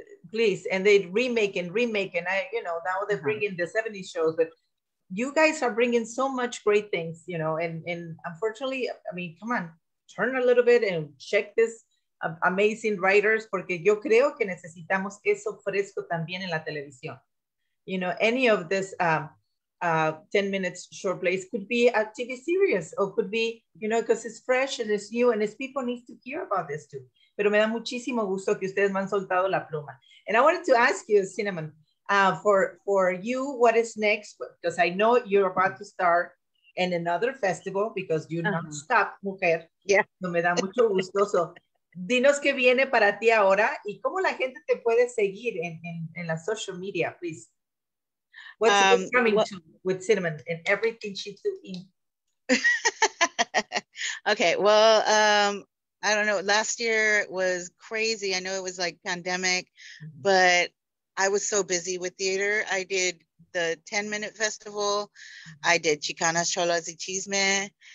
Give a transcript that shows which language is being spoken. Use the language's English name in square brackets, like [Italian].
[English] please, and they remake, and now they're bringing the 70s shows, but you guys are bringing so much great things, and unfortunately, come on, turn a little bit and check this amazing writers, [Spanish] porque yo creo que necesitamos eso fresco también en la televisión. [English] Any of this 10 minutes short plays could be a TV series or could be, you know, because it's fresh and it's new and it's people need to hear about this too. [Spanish] Pero me da muchísimo gusto que ustedes me han soltado la pluma. [English] And I wanted to ask you, Cinnamon, for you, what is next? Because I know you're about to start in another festival because you don't stop, mujer. Yeah. [Spanish] No, me da mucho gusto. So, dinos qué viene para ti ahora y cómo la gente te puede seguir en la social media, please. [English] What's coming to with Cinnamon and everything she's doing? Okay, well, I don't know. Last year was crazy. I know it was like pandemic, but I was so busy with theater. I did the 10-minute festival. I did Chicana Cholas y Chisme.